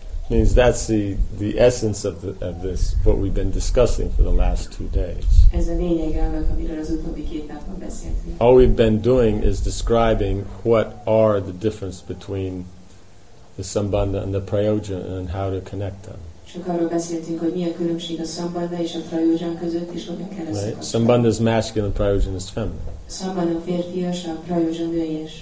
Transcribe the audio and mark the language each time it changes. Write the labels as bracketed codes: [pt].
[en] Means that's the essence of the, of this what we've been discussing for the last 2 days. [hu] Ez a lényeg annak, amiről az utóbbi két napban beszéltünk. [en] All we've been doing is describing what are the difference between the sambandha and the prayojana and how to connect them. Right? Sambandha is masculine, prayojana is feminine.